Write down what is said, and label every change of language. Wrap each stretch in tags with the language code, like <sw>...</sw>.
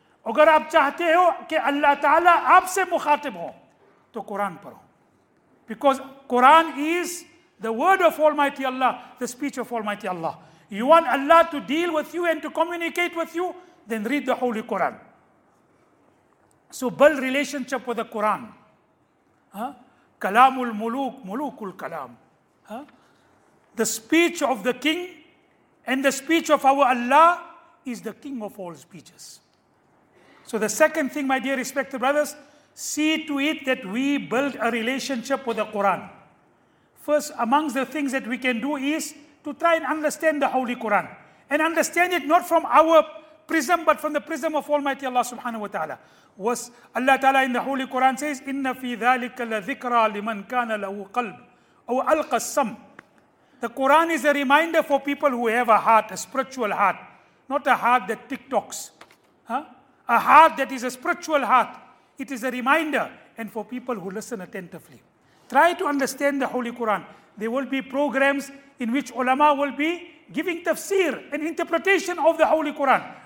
<ur>اگر آپ چاہتے ہو کہ اللہ تعالیٰ آپ سے مخاطب ہو تو قرآن پڑھو,</ur> <en>because Quran is the word of Almighty Allah, the speech of Almighty Allah. You want Allah to deal with you and to communicate with you, then read the Holy Quran. So build relationship with the Quran.</en> <ar>Kalamul muluk, mulukul kalam.</ar> <en>The speech of the king and the speech of our Allah is the king of all speeches. So the second thing, my dear respected brothers, see to it that we build a relationship with the Quran. First, amongst the things that we can do is to try and understand the Holy Quran. And understand it not from our prism, but from the prism of Almighty Allah subhanahu wa ta'ala. Was Allah ta'ala in the Holy Quran says,</en> <ar>إِنَّ فِي ذَلِكَ لَذِكْرَى لِمَنْ كَانَ لَهُ قَلْبٌ أَوْ أَلْقَ السَّمْ.</ar> <en>The Quran is a reminder for people who have a heart, a spiritual heart. Not a heart that TikToks. A heart that is a spiritual heart. It is a reminder, and for people who listen attentively. Try to understand the Holy Quran. There will be programs in which ulama will be giving tafsir, an interpretation of the Holy Quran.</en>